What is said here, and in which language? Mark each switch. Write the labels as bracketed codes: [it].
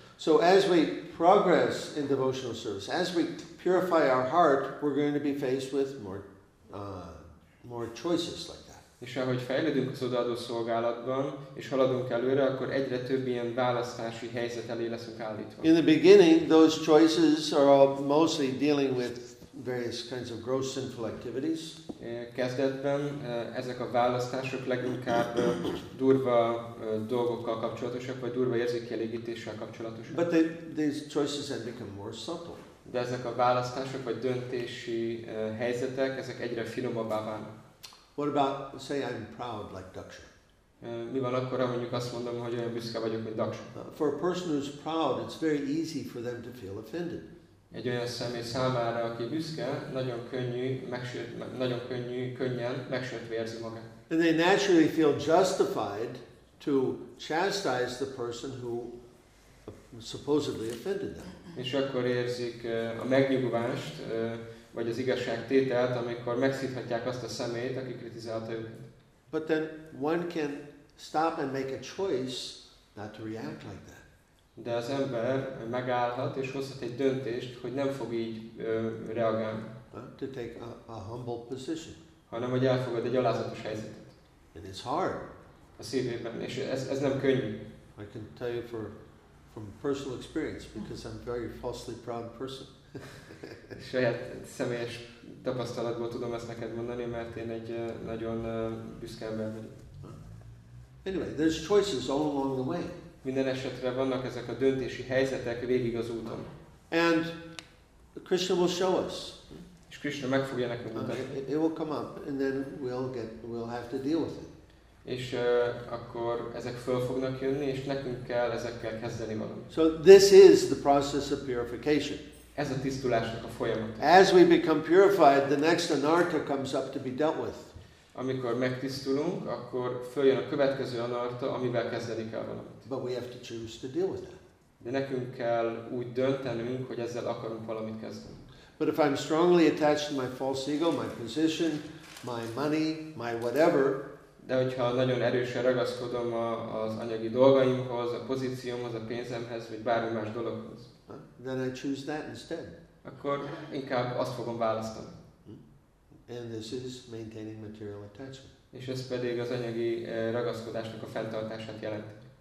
[en] So as we progress in devotional service, as we purify our heart, we're going to be faced with more choices like that. [hu] És ahogy fejlődünk az odaadó szolgálatban, és haladunk előre, akkor egyre több ilyen választási helyzet elé leszünk állítva. [en] In the beginning, those choices are all mostly dealing with various kinds of gross sinful activities. [hu] Kezdetben ezek a választások leginkább durva dolgokkal kapcsolatosak, vagy durva érzékkielégítéssel kapcsolatosak. [en] But these choices have become more subtle. [hu] De ezek a választások vagy döntési helyzetek, ezek egyre finomabbá válnak. [en] What about say I'm proud like Daksha? [hu] Mi van akkor, ha mondjuk azt mondom, hogy olyan büszke vagyok, mint Daksha? [en] For a person who's proud, it's very easy for them to feel offended. [hu] Egy olyan személy számára, aki büszke, nagyon könnyen megsértve érzi magát. [en] And they naturally feel justified to chastise the person who supposedly offended them. [hu] És akkor érzik a megnyugvást, vagy az igazságtételt, amikor megszíthatják azt a személyt, aki kritizálta őket. [en] But then one can stop and make a choice not to react like that. [hu] De az ember megállhat és hozhat egy döntést, hogy nem fog így reagálni. [en] To take a humble position. [hu] Hanem, hogy elfogad egy alázatos helyzetet. [en] And it's hard. [hu] A szívében, és ez nem könnyű. [en] I can tell you from personal experience, because I'm a very falsely proud person. [hu] Saját személyes tapasztalatból tudom ezt neked mondani, mert én egy nagyon büszke ember vagyok. [en] Anyway, there's choices all along the way. [hu] Minden esetre vannak ezek a döntési helyzetek végig az úton. [en] And Krishna will show us. [hu] És Krishna meg fogja nekünk mutatni. [en] It will come up, and then we'll have to deal with it. [hu] És akkor ezek föl fognak jönni, és nekünk kell ezekkel kezdeni valamit. [en] So this is the process of purification. [hu] Ez a tisztulásnak a folyamata. [en] As we become purified, the next anartha comes up to be dealt with. [hu] Amikor megtisztulunk, akkor följön a következő anartha, amivel kezdeni kell valamit. [en] But we have to choose to deal with that. [hu] De nekünk kell úgy döntenünk, hogy ezzel akarunk valamit kezdeni. [en] But if I'm strongly attached to my false ego, my position, my money, my whatever, [hu] de hogyha nagyon erősen ragaszkodom az anyagi dolgaimhoz, a pozíciómhoz, a pénzemhez, vagy bármi más dologhoz, [en] then I choose that instead. [hu] Akkor inkább azt fogom választani. [en] And this is maintaining material attachment. [hu] És ez pedig az anyagi ragaszkodásnak a fenntartását jelenti.